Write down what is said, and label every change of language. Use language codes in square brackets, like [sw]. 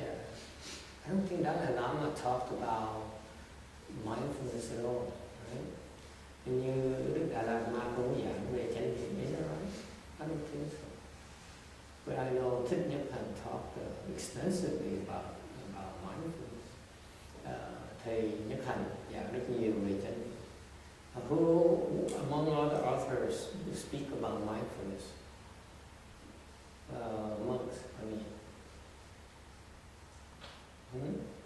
[en] Yeah. I don't think Dalai Lama talked about mindfulness at all. Right? And you, [vi] Đức Dalai Lama cũng giảng về chánh niệm, [en] is that right? I don't think so. But I know Thích Nhất Hạnh talked extensively about mindfulness. [vi] Thầy Nhất Hạnh giảng rất nhiều về chánh niệm. [en] Who among all the authors who speak about mindfulness? Monks, I mean.